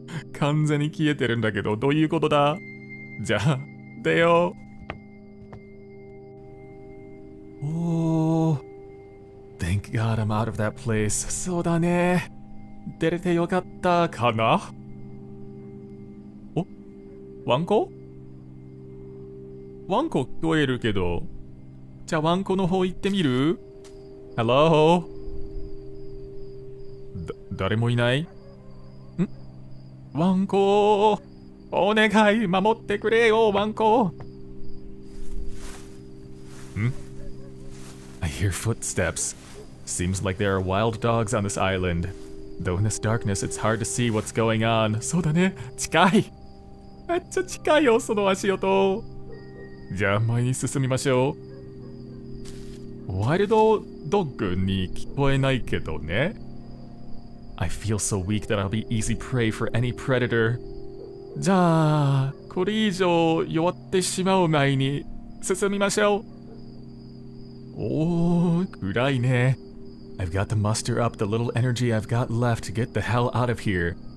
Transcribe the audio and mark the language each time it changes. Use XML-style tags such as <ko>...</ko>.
<ja>なんか目が光るかと思ったら、完全に消えてるんだけど、どういうことだ? じゃあ、出よう。</ja> <en>Oh, thank God I'm out of that place.</en> <ja>そうだね。出れてよかったかな? お?ワンコ?ワンコ聞こえるけど。じゃあワンコの方行ってみる?</ja> <en>Hello?</en> <ja>誰もいない? ん?ワンコ! お願い、守ってくれよ、ワンコ! ん?</ja> <en>I hear footsteps. Seems like there are wild dogs on this island. Though in this darkness, it's hard to see what's going on.</en> <ja>そうだね、近い! めっちゃ近いよ、その足音! じゃあ、前に進みましょう。ワイルドドッグに聞こえないけどね。</ja> <en>I feel so weak that I'll be easy prey for any predator.</en> <ja>じゃあ、これ以上弱ってしまう前に進みましょう。おー、暗いね。</ja> <en>I've got to muster up the little energy I've got left to get the hell out of here.</en>